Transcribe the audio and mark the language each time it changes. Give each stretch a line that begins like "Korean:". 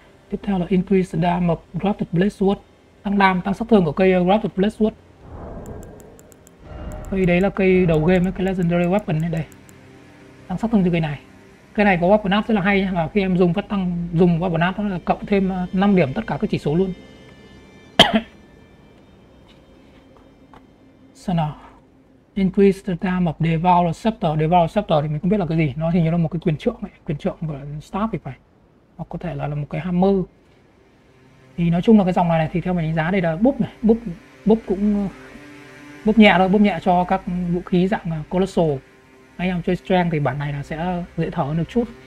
Vietnamese: Tiếp theo là
English: increase damage of grafted blade sword,
Vietnamese: tăng đam, tăng sát thương của cây grafted blade sword. Cây đấy là cây đầu game ấy, cái legendary weapon ấy đây. Tăng sát thương cho cây này. Cây này có weapon up rất là hay nhá, và khi em dùng phát tăng dùng weapon up là cộng thêm 5 điểm tất cả các chỉ số luôn. Sao nào?
English: Increase the damage of Devour Scepter.
Vietnamese: Devour Scepter thì mình không biết là cái gì. Nó hình như là một cái quyền trượng ấy. Quyền trượng của Staff thì phải. Hoặc có thể là một cái hammer. Thì nói chung là cái dòng này thì theo mình đánh giá đây là buff này. Buff cũng buff nhẹ thôi. Buff nhẹ cho các vũ khí dạng Colossal. Anh em chơi Strength thì bản này là sẽ dễ thở hơn được chút.